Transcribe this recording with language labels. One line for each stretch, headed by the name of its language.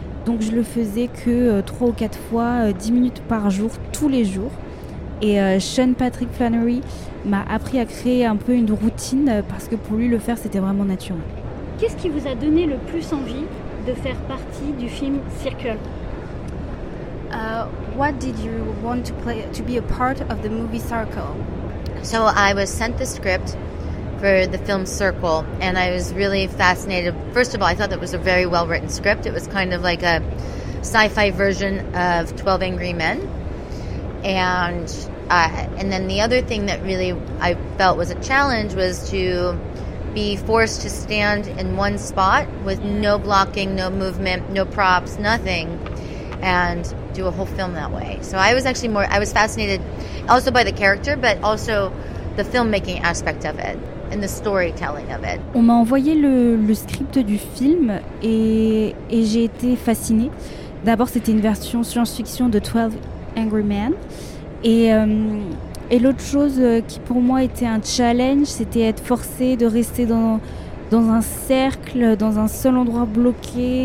French: Donc je le faisais que 3 ou 4 fois, 10 minutes par jour, tous les jours. Et Sean Patrick Flannery m'a appris à créer un peu une routine parce que pour lui le faire c'était vraiment naturel. Qu'est-ce qui vous a donné le plus envie de faire partie du film Circle?
English: What did you want to play to be a part of the movie Circle? So I was sent the script for the film Circle, and I was really fascinated. First of all, I thought that was a very well-written script. It was kind of like a sci-fi version of 12 Angry Men. And then the other thing that really I felt was a challenge was to be forced to stand in one spot with no blocking, no movement, no props, nothing, and do a whole film that way. So I was actually more, I was fascinated also by the character, but also the filmmaking aspect of it. In the storytelling of it.
French: On m'a envoyé le script du film et j'ai été fascinée. D'abord, c'était une version science-fiction de 12 Angry Men. Et l'autre chose qui pour moi était un challenge, c'était être forcée de rester dans un cercle, dans un seul endroit bloqué.